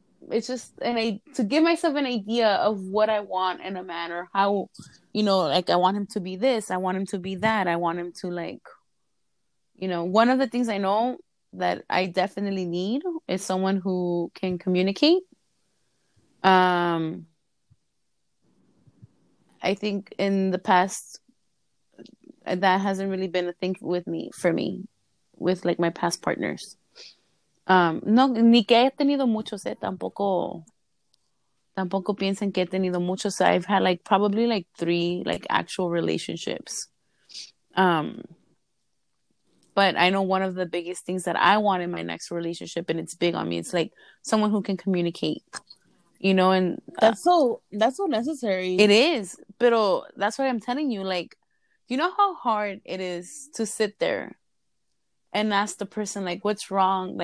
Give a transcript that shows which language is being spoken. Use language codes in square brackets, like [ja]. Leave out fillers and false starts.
[en] it's just to give myself an idea of what I want in a man, or how, you know, like, I want him to be this, I want him to be that, I want him to, like, you know, one of the things I know that I definitely need is someone who can communicate. I think in the past, that hasn't really been a thing for me, with, like, my past partners. [es] No, ni que he tenido muchos, tampoco piensen que he tenido muchos. [en] I've had, like, probably, like, 3, like, actual relationships. But I know one of the biggest things that I want in my next relationship, and it's big on me, it's, like, someone who can communicate. You know, and that's so necessary. It is, [es] pero [en] that's why I'm telling you, like, you know how hard it is to sit there and ask the person, like, what's wrong?